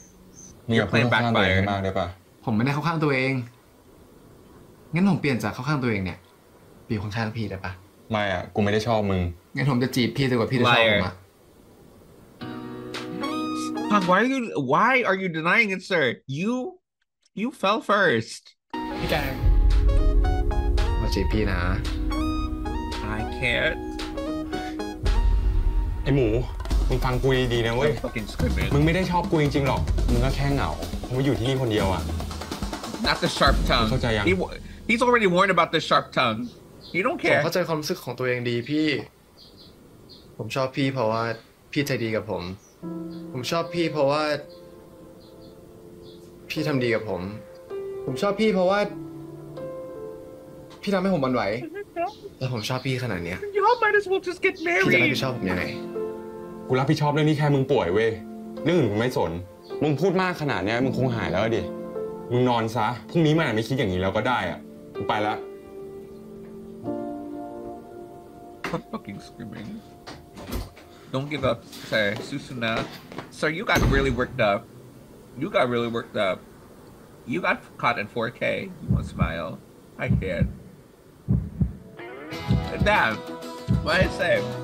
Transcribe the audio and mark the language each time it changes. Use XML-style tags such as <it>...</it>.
<th>ๆนี่เพื่อนข้างตัวเองมากได้ป่ะ ผมไม่ได้เข้าข้างตัวเองงั้นผมเปลี่ยนจากเข้าข้างตัวเองเนี่ยปีของชายพี่ได้ป่ะ ไม่อ่ะกูไม่ได้ชอบมึง งั้นผมจะจีบพี่ดีกว่าพี่จะชอบผมอ่ะ</th> <en>Why are you denying it sir you fell first</en> <th>พี่แกง มาจีบพี่นะ</th> <en>I can't</en> <th>ไอ้หมูมึงฟังกูดีๆนะเว้ย</th> <en>fucking screaming</en> <th>มึงไม่ได้ชอบกูจริงๆหรอกมึงก็แค่เหงาผมอยู่ที่นี่คนเดียวอ่ะ</th> <en>That's a sharp tongue</en> <th>เข้าใจยัง</th> <en>He's already warned about the sharp tongue. He don't care.</en> <th>ผมเข้าใจความรู้สึกของตัวเองดีพี่ผมชอบพี่เพราะว่าพี่ใจดีกับผมผมชอบพี่เพราะว่าพี่ทำดีกับผมผมชอบพี่เพราะว่าพี่ทำให้ผมมันไหวแล้วผมชอบพี่ขนาดเนี้ย</th> <en>You might as well just get married</en> <th>พี่จะรับผิดชอบผมยังไง กูรับผิดชอบเรื่องนี้แค่มึงป่วยเว้ยเรื่องอื่นมึงไม่สนมึงพูดมากขนาดเนี้ยมึงคงหายแล้วดิมึงนอนซะพรุ่งนี้มันอาจไม่คิดอย่างนี้แล้วก็ได้อ่ะไปแล้ว</th> <en>Stop fucking screaming Don't give up say Susuna So you got really worked up You got really worked up You got caught in 4K You won't smile I can'tDamn, what did I say?</en>